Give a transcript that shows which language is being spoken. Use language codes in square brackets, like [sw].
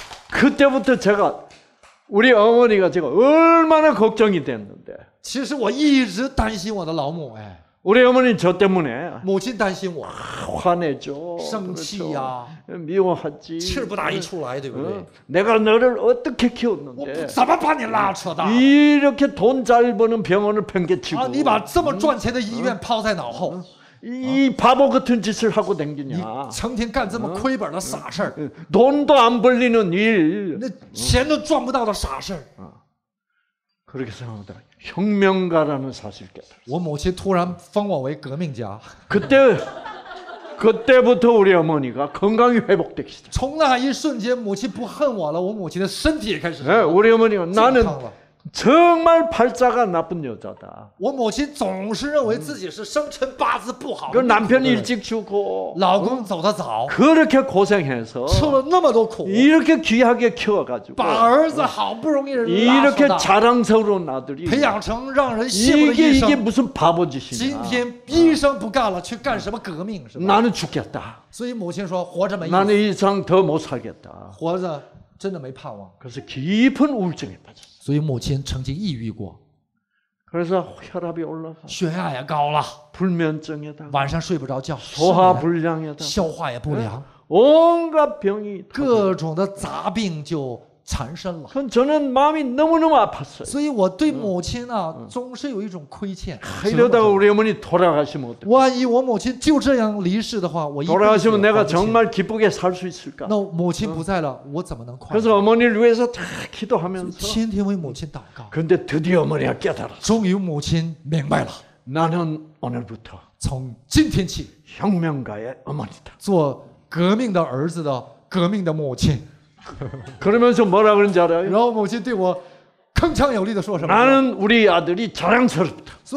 [ko] 그때부터제가우리어머니가제가얼마나걱정이됐는데 [zh] 其实我一直担心我的老母哎。 [ko] 우리어머니저때문에 [zh] 母亲担心我。 [ko] 화내죠 [zh] 生气呀、啊、 [ko] 미워하지 [zh] 气不打一处来对不对 [ko] 내가너를어떻게키웠는데 [zh] 我怎么把你拉扯的 [ko] 이렇게돈잘버는병원을팽개치고 [zh] 你把这么赚钱的医院抛在脑后 [ko] 이바보같은짓을하고댕기냐 [zh] 你成天干这么亏本的傻事 [ko] 돈도안벌리는일 [zh] 那钱都赚不到的傻事 [ko] 그렇게생각하다가혁명가라는사실깨달았어 [zh] 我母亲突然封我为革命家 [ko] 그때부터우리어머니가건강이회복되기시작 [zh] 从那一瞬间母亲不恨我了我母亲的身体也开始 [ko] 우리어머니가나는 정말 팔자가 나쁜 여자다. [zh] 我母亲总是认为自己是生辰八字不好。 [ko] 그 남편이 일찍 죽고, [zh] 老公走得早。 [ko] 그렇게 고생해서, [zh] 吃了那么多苦。 [ko] 이렇게 귀하게 키워가지고, [zh] 把儿子好不容易 [ko] 이렇게 자랑스러운 아들이, [zh] 培养成让人羡慕的一生。 [ko] 이게 무슨 바보 짓이야? [zh] 今天医生不干了，去干什么革命是吧？ [ko] 나는 죽겠다. [zh] 所以母亲说活着没意思。 [ko] 나는 이상 더 못 살겠다. [zh] 活着真的没盼望。 [ko] 그래서 깊은 우울증에 빠졌어. [zh] 所以母亲曾经抑郁过。 [ko] 그래서 혈압이 올라가. [zh] 血压也高了。 [ko] 불면증에다. [zh] 晚上睡不着觉。 [ko] 소화불량에다. [zh] 消化也不良。 [ko] 온갖 병이. [zh] 各种的杂病就缠身了。 [ko] 그럼 저는 마음이 너무너무 아팠어요. [zh] 所以我对母亲啊，总是有一种亏欠。 [ko] 이러다가 우리 어머니 돌아가시면 어때? [zh] 万一我母亲就这样离世的话，我 [ko] 돌아가시면 내가 정말 기쁘게 살 수 있을까? [zh] 那母亲不在了，我怎么能快乐？ [ko] 그래서 어머니를 위해서 다 기도하면서. [zh] 天天为母亲祷告。 [ko] 그런데 드디어 어머니가 깨달았어. [zh] 终于母亲明白了。 [ko] 나는 오늘부터 [zh] 从今天起 [ko] 혁명가의 어머니다. [zh] 做革命的儿子的革命的母亲。 [ko] 그러면서 뭐라 그런지 알아요? [zh] 然后母亲对我铿锵有力地说什么？ [ko] 나는 우리 아들이 자랑스럽다.